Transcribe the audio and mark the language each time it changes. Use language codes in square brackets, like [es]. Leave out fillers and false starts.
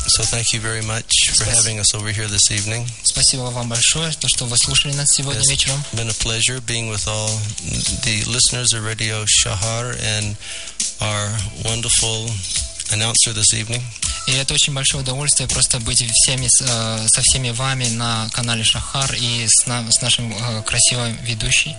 [en] So thank you very much for having us over here this evening. [ru] Спасибо вам большое, то, что вы слушали нас сегодня вечером. [en] It's been a pleasure being with all the listeners of Radio Shahar and our wonderful announcer this evening. [ru] И это очень большое удовольствие просто быть всеми, со всеми вами на канале Шахар и с нашим красивым ведущим.